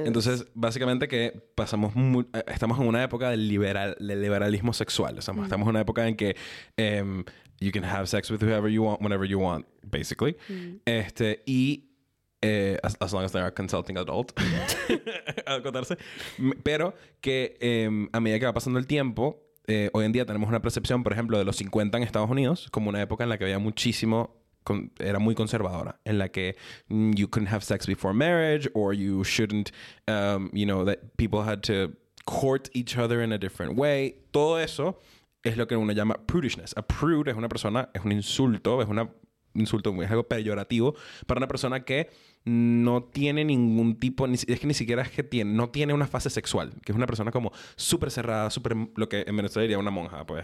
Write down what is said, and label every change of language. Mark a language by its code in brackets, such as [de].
[es] Ok. Entonces, básicamente que pasamos... estamos en una época del liberalismo sexual. O sea, estamos en una época en que [en] you can have sex with whoever you want, whenever you want, basically. [es] Y... [en] as long as they're a consulting adult. [es] acotarse. Pero que a medida que va pasando el tiempo... hoy en día tenemos una percepción, por ejemplo, de los 50 en Estados Unidos, como una época en la que había muchísimo... era muy conservadora. En la que [en] you couldn't have sex before marriage, or you shouldn't... you know, that people had to court each other in a different way. [es] Todo eso es lo que uno llama prudishness. A prude es una persona... es un insulto. Es un insulto, es algo peyorativo para una persona que no tiene ningún tipo... es que ni siquiera es que tiene... no tiene una fase sexual. Que es una persona como súper cerrada, súper... lo que en Venezuela diría una monja, pues.